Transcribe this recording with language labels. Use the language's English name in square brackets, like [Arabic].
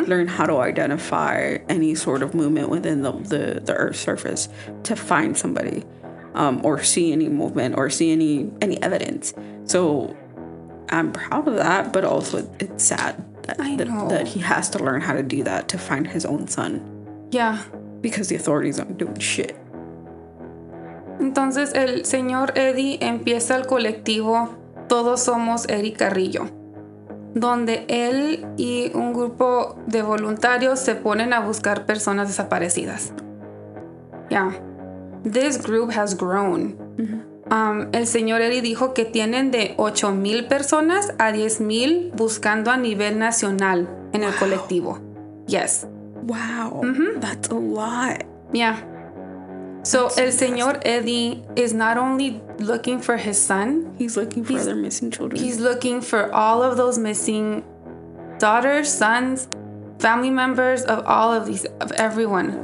[English] learn how to identify any sort of movement within the Earth's surface to find somebody or see any movement or see any evidence. So I'm proud of that, but also it's sad that he has to learn how to do that to find his own son. Yeah. Because the authorities aren't doing shit. [Spanish] Entonces el señor Eddie empieza el colectivo Todos Somos Erick Carrillo, donde él y un grupo de voluntarios se ponen a buscar personas desaparecidas. Yeah. [English] This group has grown. [Spanish] Mm-hmm. El señor Eddie dijo que tienen de 8,000 personas a 10,000 buscando a nivel nacional en el colectivo. [English] Yes. Wow. Mm-hmm. That's a lot. Yeah. So, el señor Eddie is not only looking for his son. He's looking for other missing children. He's looking for all of those missing daughters, sons, family members of all of these, of everyone.